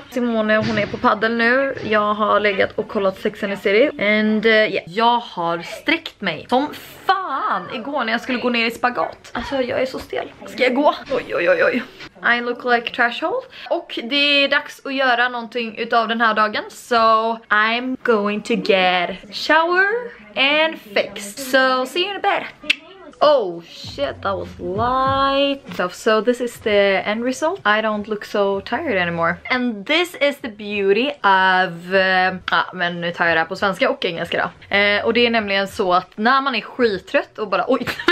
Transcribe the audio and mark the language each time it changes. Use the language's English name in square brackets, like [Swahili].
[Swedish] Simone, hon är på paddel nu. Jag har legat och kollat Sex and the City. [English] And yeah. [Swedish] Jag har sträckt mig som fan igår när jag skulle gå ner i spagat. Alltså, jag är så stel. Ska jag gå? Oj, oj, oj, oj. [English] I look like trash hole. [Swedish] Och det är dags att göra någonting utav den här dagen. [English] So I'm going to get shower and fixed. So see you in a bit. Oh shit, that was light. So this is the end result. I don't look so tired anymore. And this is the beauty of... [Swedish] men nu tar jag det här på svenska och engelska då. Och det är nämligen så att när man är skittrött och bara... Oj.